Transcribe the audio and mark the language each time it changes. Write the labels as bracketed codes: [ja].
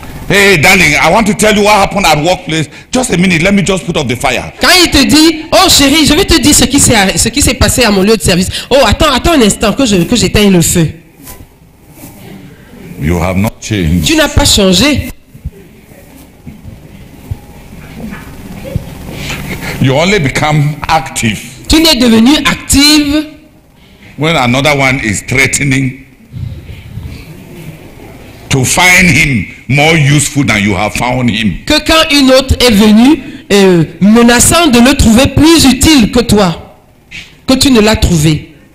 [en] Hey darling, I want to tell you what happened at workplace. Just a minute, let me just put off the fire. [fr] Quand il te dit, oh chérie, je vais te dire ce qui s'est passé à mon lieu de service. Oh, attends un instant que j'éteigne le feu. [en] You have not changed. [fr] Tu n'as pas changé. [en] You only become active. [fr] Tu n'es devenu active. [en] When another one is threatening to find him more useful than you have found him. [fr] Que quand une autre est venue menaçant de le trouver plus utile que toi, que tu ne l'as trouvé.